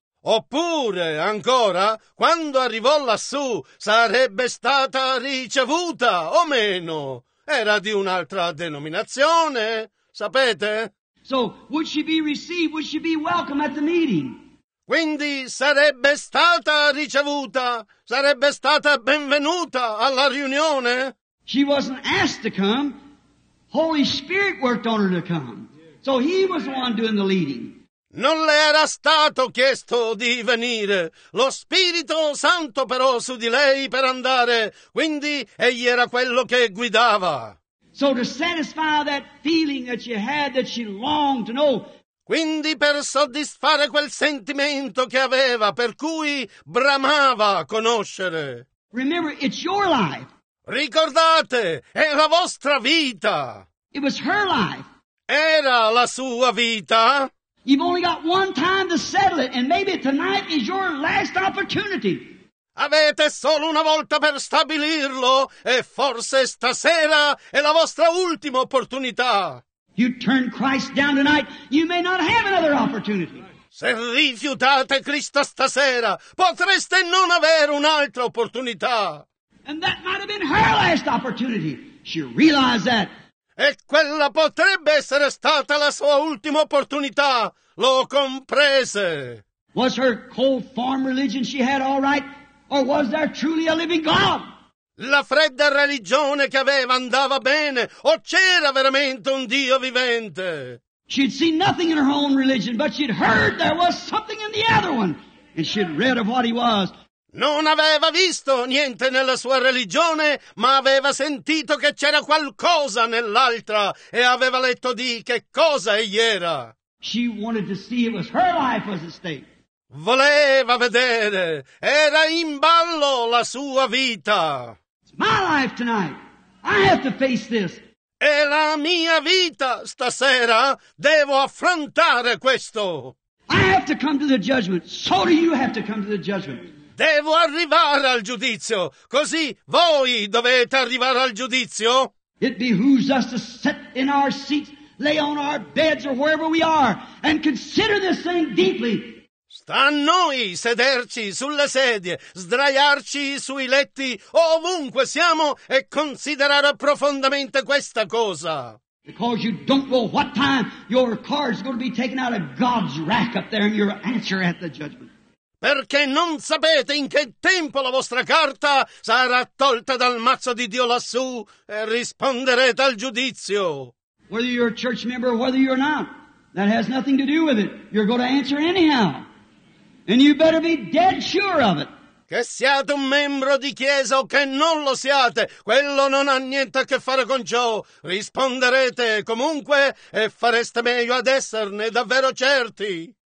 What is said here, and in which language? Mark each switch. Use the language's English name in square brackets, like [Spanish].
[Italian] Oppure, ancora, quando arrivò lassù, sarebbe stata ricevuta o meno? Era di un'altra denominazione, sapete? [English] So, would she be received? Would she be welcome at the meeting? [Italian] Quindi sarebbe stata ricevuta, sarebbe stata benvenuta alla riunione. [English] She wasn't asked to come. Holy Spirit worked on her to come. So he was the one doing the leading. [Italian] Non le era stato chiesto di venire. Lo Spirito Santo però su di lei per andare. Quindi egli era quello che guidava. [English] So to satisfy that feeling that she had, that she longed to know. [Italian] Quindi per soddisfare quel sentimento che aveva, per cui bramava conoscere. [English] Remember, it's your life. [Italian] Ricordate, è la vostra vita. [English] It was her life. [Italian] Era la sua vita. [English] You've only got one time to settle it, and maybe tonight is your last opportunity. [Italian] Avete solo una volta per stabilirlo, e forse stasera è la vostra ultima opportunità. [English] You turn Christ down tonight, you may not have another opportunity. [Italian] Se rifiutate Cristo stasera, potreste non avere un'altra opportunità. [English] And that might have been her last opportunity. She realized that. [Italian] E quella potrebbe essere stata la sua ultima opportunità. Lo comprese. [English] Was her cold form religion she had all right? Or was there truly a living God? [Italian] La fredda religione che aveva andava bene, o c'era veramente un Dio vivente? [English] She'd seen nothing in her own religion, but she'd heard there was something in the other one, and she'd read of what he was. [Italian] Non aveva visto niente nella sua religione, ma aveva sentito che c'era qualcosa nell'altra e aveva letto di che cosa egli era. [English] She wanted to see it was her life was at stake. [Italian] Voleva vedere. Era in ballo la sua vita. [English] It's my life tonight. I have to face this. [Italian] È la mia vita stasera. Devo affrontare questo. [English] I have to come to the judgment. So do you have to come to the judgment. [Italian] Devo arrivare al giudizio. Così voi dovete arrivare al giudizio. [English] It behooves us to sit in our seats, lay on our beds or wherever we are, and consider this thing deeply. [Italian] Sta a noi sederci sulle sedie, sdraiarci sui letti, ovunque siamo, e considerare profondamente questa cosa. [English] Because you don't know what time your car is going to be taken out of God's rack up there and your answer at the judgment. [Italian] Perché non sapete in che tempo la vostra carta sarà tolta dal mazzo di Dio lassù e risponderete al giudizio. [English] Whether you're a church member or whether you're not, that has nothing to do with it. You're going to answer anyhow. And you better be dead sure of it. [Italian] Che siate un membro di chiesa o che non lo siate, quello non ha niente a che fare con ciò. Risponderete comunque e fareste meglio ad esserne davvero certi.